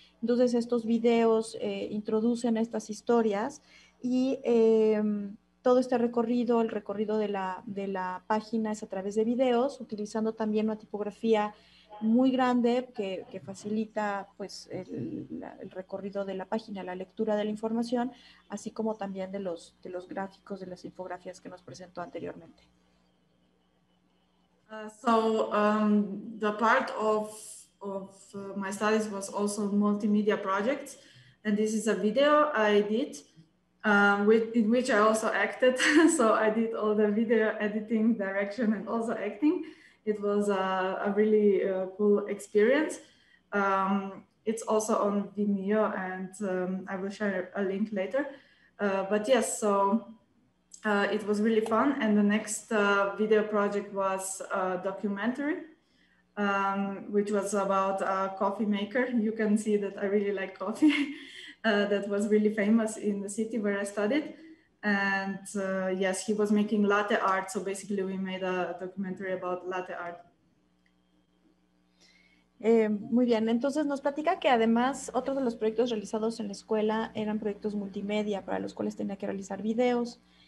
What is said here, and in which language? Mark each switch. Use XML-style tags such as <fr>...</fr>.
<es>Entonces, estos videos introducen estas historias, y todo este recorrido, el recorrido de la página, es a través de videos, utilizando también una tipografía muy grande que facilita pues el recorrido de la página, la lectura de la información, así como también de los gráficos, de las infografías que nos presentó anteriormente.</es> <en>So the part of my studies was also multimedia projects, and this is a video I did in which I also acted. So I did all the video editing, direction, and also acting. It was a really cool experience. It's also on Vimeo, and I will share a link later. But yes, so it was really fun. And the next video project was a documentary, which was about a coffee maker. You can see that I really like coffee. That was really famous in the city where I studied. And yes, he was making latte art. So basically we made a documentary about latte art.</en> <es>Muy bien, entonces nos platica que además otros de los proyectos realizados en la escuela eran proyectos multimedia para los cuales tenía que realizar videos.</es>